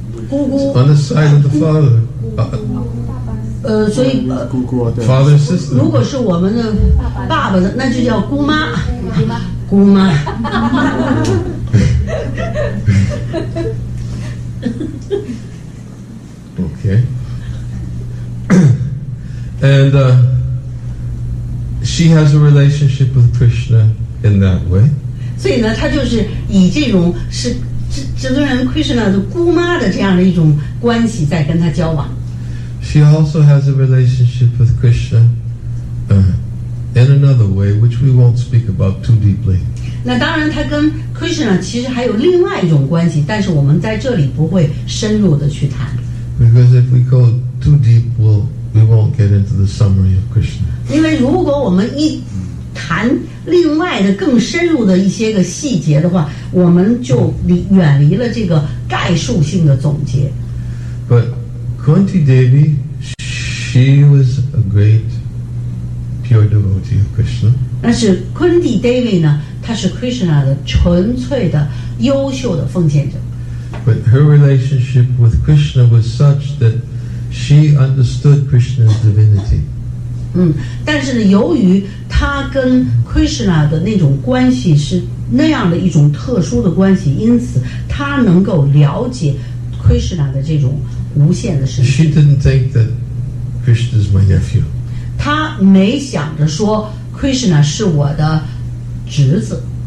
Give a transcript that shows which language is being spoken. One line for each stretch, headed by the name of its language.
English: It's on the side of the father.
Chinese: 所以姑姑
English: father sister.
Chinese: 如果是我们的爸爸的，那就叫姑妈。姑妈。
English: Okay. And she has a relationship with Krishna in that way.
Chinese: 所以呢，她就是以这种是。这个人 Krishna 的姑妈的这样的一种关系在跟他交往。
English: She also has a relationship with Krishna in another way, which we won't speak about too deeply.
Chinese: 那当然，他跟 Krishna 其实还有另外一种关系，但是我们在这里不会深入的去谈。
English: Because if we go too deep, we won't get into the summary of Krishna.
Chinese: 因为如果我们一谈另外的更深入的一些个细节的话，我们就远离了这个概述性的总结。
English: But Kunti Devi, she was a great pure devotee of Krishna.
Chinese: 但是 Kunti Devi 呢，她是 Krishna 的纯粹的优秀的奉献者。
English: But her relationship with Krishna was such that she understood Krishna's divinity.
Chinese: 但是呢，由于他跟 Krishna 的那种关系是那样的一种特殊的关系，因此他能够了解 Krishna 的这种无限的神性。
English: She didn't think that Krishna is my nephew.
Chinese: 他没想着说 Krishna 是我的侄子。